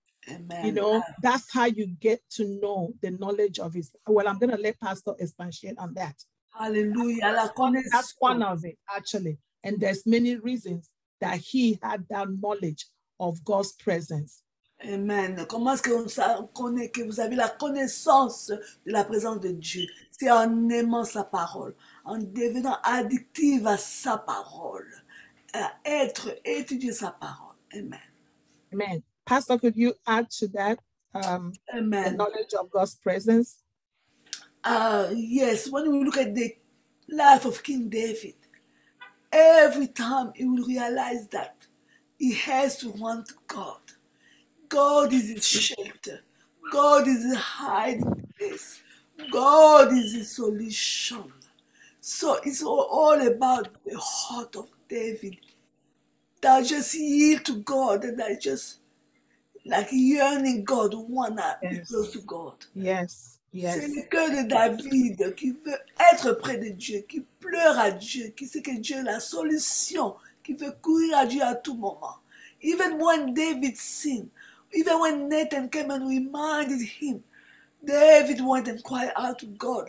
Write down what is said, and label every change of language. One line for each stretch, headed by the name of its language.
English: Amen. You know, that's how you get to know the knowledge of his. Well, I'm going to let Pastor expatiate on that. Hallelujah. That's one of it, actually. And there's many reasons that he had that knowledge of God's presence. Amen.
French: Comment est-ce qu'on connaît que vous avez la connaissance de la présence de Dieu? C'est en aimant sa parole, en devenant addictive à sa parole, à être, étudier sa parole. Amen.
English: Amen. Pastor, could you add to that Amen. The knowledge of God's presence? Yes. When we look at the life of King David, every time he will realize that he has to run to God. God is his shelter. God is his hiding place. God is his solution. So it's all about the heart of David that just yield to God and that just like yearning God, wanna be close to God. Yes. Yes.
French: C'est le cœur de David qui veut être près de Dieu, qui pleure à Dieu, qui sait que Dieu est la solution, qui veut courir à Dieu à tout moment.
English: Even when David sinned, even when Nathan came and reminded him, David went and cried out to God.